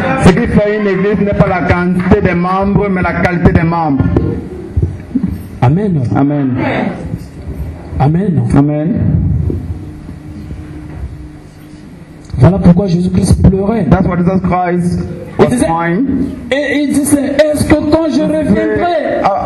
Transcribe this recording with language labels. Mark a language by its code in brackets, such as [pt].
[fr] Ce qui fait une église n'est pas la quantité des membres, mais la qualité des membres. Amen. Amen. Amen. Amen. Voilà pourquoi Jésus-Christ pleurait. [en] That's why Jesus Christ was crying. [fr] Et il disait, est-ce que quand je reviendrai,